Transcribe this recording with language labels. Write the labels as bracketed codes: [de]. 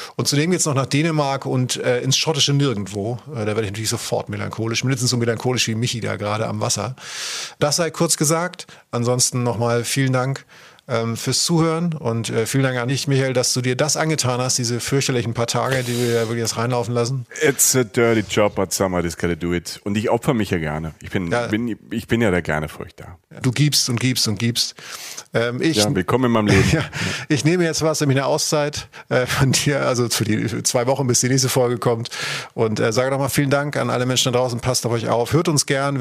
[de] Und zudem geht es noch nach Dänemark und ins schottische Nirgendwo. Da werde ich natürlich sofort melancholisch. Mindestens so melancholisch wie Michi da gerade am Wasser. Das sei kurz gesagt. Ansonsten nochmal vielen Dank fürs Zuhören und vielen Dank an dich, Michael, dass du dir das angetan hast, diese fürchterlichen paar Tage, die wir ja wirklich jetzt reinlaufen lassen. [en] It's a dirty job, but somebody just gotta do it. [de] Und ich opfer mich ja gerne. Ich bin ja da gerne für euch da. Du gibst und gibst und gibst. Willkommen in meinem Leben. Ja, ich nehme jetzt was, nämlich eine Auszeit von dir, also für die 2 Wochen, bis die nächste Folge kommt. Und sage nochmal vielen Dank an alle Menschen da draußen. Passt auf euch auf. Hört uns gern.